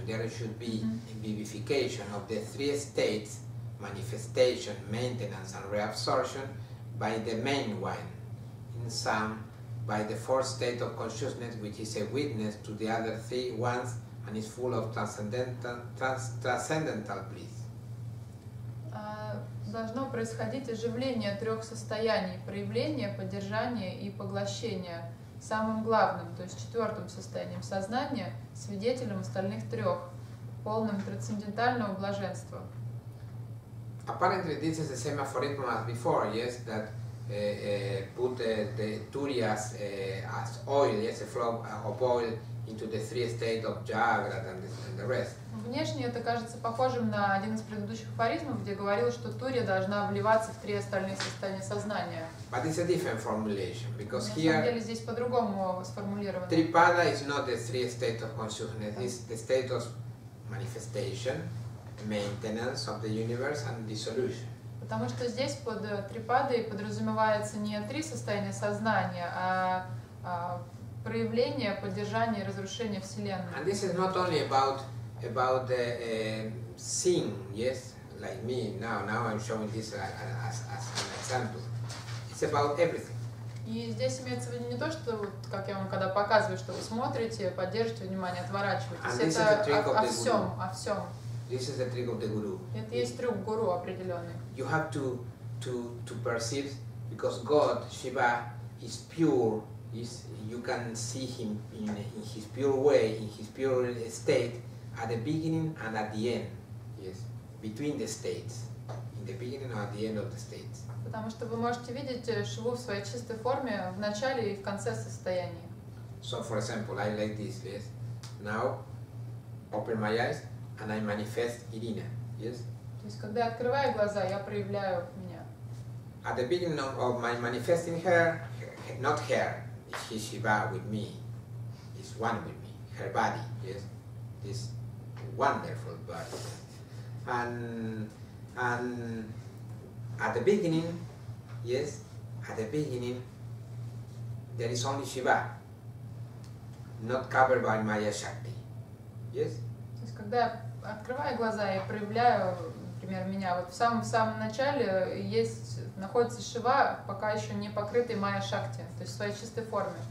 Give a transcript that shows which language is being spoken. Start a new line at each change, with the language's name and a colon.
English: There should be vivification of the three states, manifestation, maintenance, and reabsorption, by the main one, in some, by the fourth state of consciousness, which is a witness to the other three ones and is full of transcendental bliss.
Russian: Должно происходить оживление трех состояний – проявление, поддержание и поглощение. Самым главным, то есть четвертым состоянием сознания, свидетелем остальных трех, полным трансцендентального блаженства.
English: Apparently, this is the same aphorism as before, yes, that put the Turiya as oil, yes, a flow of oil into the three states of Jagrat and the rest.
Russian: Внешне это кажется похожим на один из предыдущих афоризмов, где говорилось, что Турия должна вливаться в три остальных состояния сознания.
English: But it's a different formulation, because
Russian: на
English: here...
Russian: На самом деле здесь по-другому сформулировано.
English: Трипада is not the three states of consciousness, it's the state of manifestation, maintenance of the universe and dissolution.
Russian: Потому что здесь под трипадой подразумевается не три состояния сознания, а проявление, поддержание и разрушение Вселенной.
English: And this is not only about the seeing, yes, like me now I'm showing this as an example. It's about everything.
Russian: И здесь имеется в виду не то, что вот, как я вам когда показываю, что вы смотрите, поддерживаете внимание, отворачиваетесь.
English: And
Russian: это о всем.
English: This is the trick of the guru.
Russian: Это есть трюк гуру определенный.
English: You have to perceive because God, Shiva, is pure. Is you can see him in his pure way, in his pure state, at the beginning and at the end, yes, between the states, in beginning or the end of the state.
Russian: Потому что вы можете видеть Шиву в своей чистой форме в начале и в конце состояния.
English: So for example, I like this, yes. Now, open my eyes and I manifest Irina, yes.
Russian: То есть когда я открываю глаза, я проявляю меня.
English: At the beginning of my manifesting her, not her, she's Shiva with me, is one with me, her body, yes, this wonderful body. And at the beginning, yes, at the beginning, there is only Shiva, not covered by Maya Shakti, yes?
Russian: То есть, когда я открываю глаза и проявляю, например, меня, вот в самом начале есть, находится Шива, пока еще не покрытый Maya Shakti, то есть в своей чистой форме.